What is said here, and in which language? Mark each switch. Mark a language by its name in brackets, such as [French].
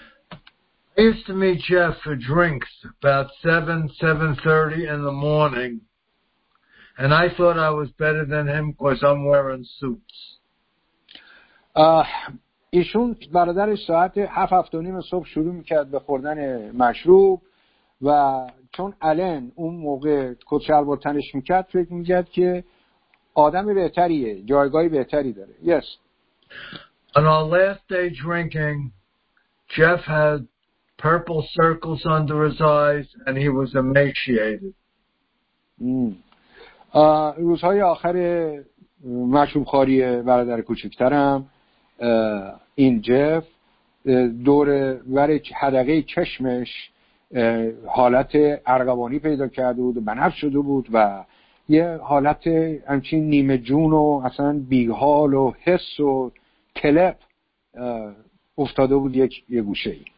[English] I used to meet Jeff for drinks about 7:30 in the morning and I thought I was better than him because I'm wearing suits. [Persian] ایشون برادرش ساعت 7:30 صبح شروع میکرد به خوردن مشروب و چون الان اون موقع کت شلوار تنش میکرد فکر میکرد که آدم بهتریه، جایگاهی بهتری داره. [English] Yes. On our last day drinking, Jeff had purple circles under his eyes and he was emaciated. [Persian] روزهای آخر مشروبخواری برادر کوچکترم، این جف دور ور حدقه چشمش حالت ارغوانی پیدا کرده بود، بنفش شده بود و یه حالت همچین نیمه جون و اصلا بیحال و حس و کلپ افتاده بود یک گوشه.